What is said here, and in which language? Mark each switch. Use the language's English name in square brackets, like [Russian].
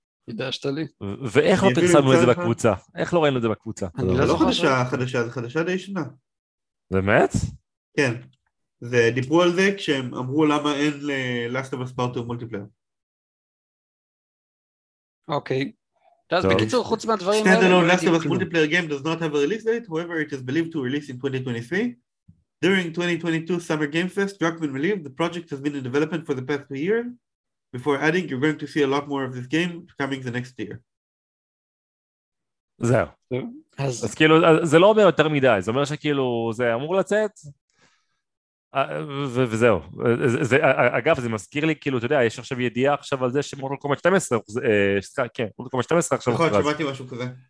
[Hebrew] ידעשת לי. ואיך לא פרסמנו את זה בקבוצה? איך לא ראינו את זה בקבוצה? אני לא זוכר. חדשה, חדשה, זה חדשה די שנה. באמת? כן. זה דיברו על זה כשהם אמרו למה אין ל-Last of Us Part 2 מולטיפלייר. אוקיי. אז בקיצור, חוץ מהדברים האלה... [English] Standalone Last of Us Multiplayer Game does not have a release date, however it is believed to release in 2023. During 2022 Summer Game Fest, Druckmann believed the project has been in development for the past 2 years. Before adding, you're going to see a lot more of this game coming the next year. [Hebrew] זהו. אז כאילו, זה לא אומר יותר מדי, זה אומר שכאילו, זה אמור לצאת, וזהו. אגב, זה מזכיר לי, כאילו, אתה יודע, יש עכשיו ידיעה עכשיו על זה שמורל קומט 12, כן, מורל קומט 12 עכשיו. נכון, שמעתי משהו כזה.